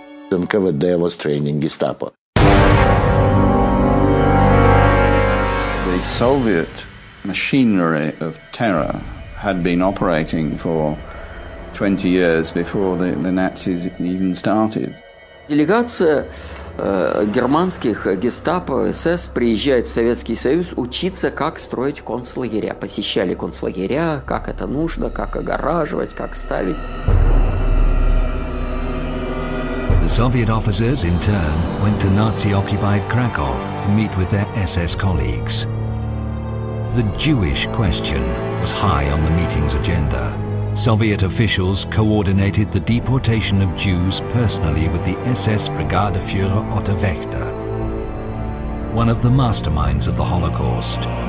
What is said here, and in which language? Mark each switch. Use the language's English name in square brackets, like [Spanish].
[English] NKVD was training Gestapo. The Soviet machinery of terror had been operating for 20 years before the Nazis even started. [Russian] Делегация германских Гестапо СС приезжает в Советский Союз учиться, как строить концлагеря. Посещали концлагеря, как это нужно, как огораживать, как ставить. [English] The Soviet officers, in turn, went to Nazi-occupied Krakow to meet with their SS colleagues. The Jewish question was high on the meeting's agenda. Soviet officials coordinated the deportation of Jews personally with the SS Brigadeführer Otto Wächter, one of the masterminds of the Holocaust.